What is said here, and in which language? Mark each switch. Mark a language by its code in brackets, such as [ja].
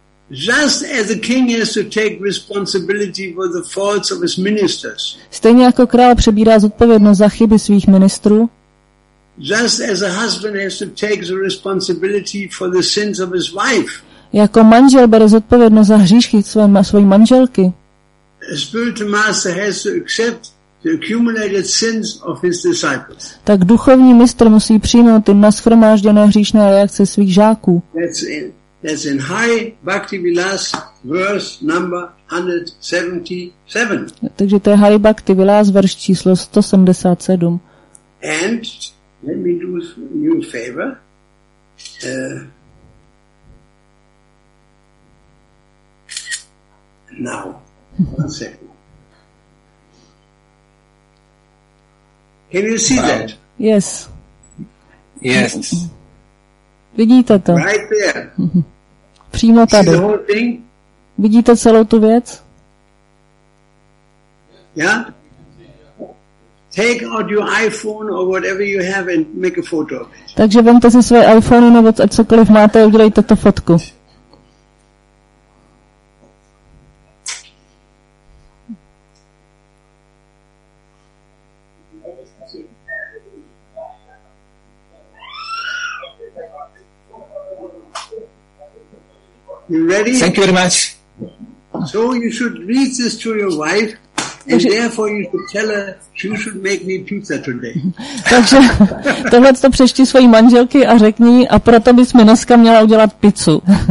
[en] Just as the king has to take responsibility for the faults of his ministers. [cs] Stejně jako král přebírá zodpovědnost za chyby svých ministrů. [en] Just as a husband has to take the responsibility for the sins of his wife. [cs] Jako manžel bere zodpovědnost za hříchy své manželky. [en] A spiritual master has to accept the accumulated sins of his disciples. [cs] Tak duchovní mistr musí přijmout ty nashromážděné hříšné reakce svých žáků. [en] That's in High Bhakti Vilas, verse number 177. [cs] Takže to je High Bhakti Vilas, verš číslo 177. [en] And let me do a new favor. Now, one second. Can you see that? Yes. Yes. [cs] Vidíte to? [en] Right there. [cs] Přímo tady. Vidíte celou tu věc? [en] Yeah. Take out your iPhone or whatever you have and make a photo of it. [cs] Takže vemte si své iPhone nebo cokoliv máte, udělejte to fotku. [en] You ready? Thank you very much. So you should read this to your wife, and therefore you should tell her she should make me pizza today. [cs] Takže tohle to přečti svojí manželky a řekni, a proto bys mi dneska měla udělat pizzu.